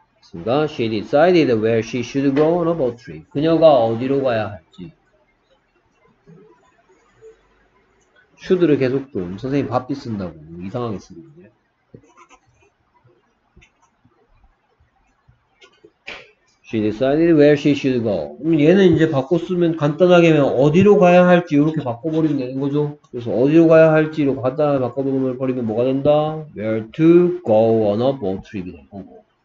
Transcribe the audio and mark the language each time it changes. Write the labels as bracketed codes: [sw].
[ko] 그러니까 [en] she decided where she should go on a boat trip. [ko] 그녀가 어디로 가야 할지. should를 계속 좀 선생님 바삐 쓴다고 이상하게 쓰는 거예요. [en] she decided where she should go. [ko] 얘는 이제 바꿔 쓰면 간단하게면 어디로 가야 할지 이렇게 바꿔버리면 되는 거죠. 그래서 어디로 가야 할지로 간단하게 바꿔버리면 뭐가 된다? [en] where to go on a boat trip [ko] 이 될 거고.